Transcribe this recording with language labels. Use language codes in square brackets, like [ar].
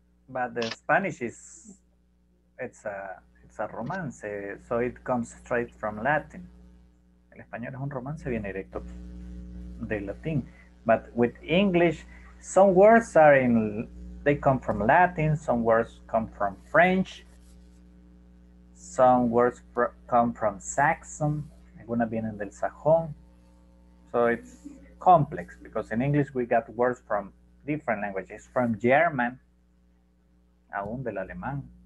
[en] But the Spanish is, it's a romance, so it comes straight from Latin. [es] El español es un romance, viene directo de latín. [en] But with English, some words are in, they come from Latin, some words come from French, some words come from Saxon, algunas vienen del Sajón. So it's complex because in English we got words from different languages, from German, aún del alemán.